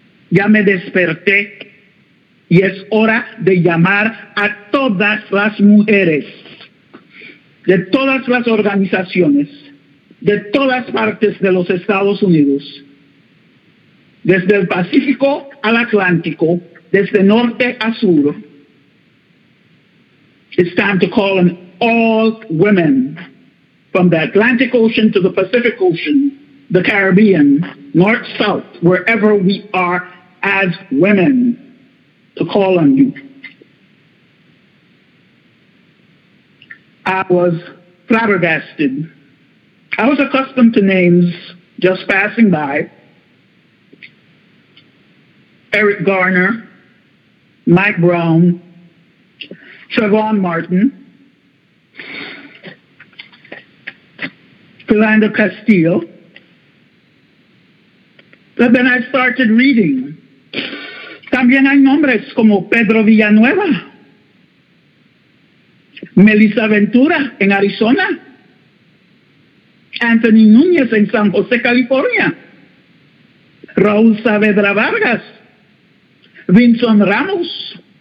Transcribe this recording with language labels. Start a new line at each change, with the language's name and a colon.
Spanish: Ya me desperté y es hora de llamar a todas las mujeres, de todas las organizaciones, de todas partes de los Estados Unidos, desde el Pacífico al Atlántico, desde norte a sur.
English: It's time to call on all women from the Atlantic Ocean to the Pacific Ocean, the Caribbean, north, south, wherever we are, as women, to call on you. I was flabbergasted. I was accustomed to names just passing by. Eric Garner, Mike Brown, Trayvon Martin, Philando Castile. But then I started reading.
Spanish: También hay nombres como Pedro Villanueva, Melissa Ventura en Arizona, Anthony Núñez en San José, California, Raúl Saavedra Vargas, Vincent Ramos.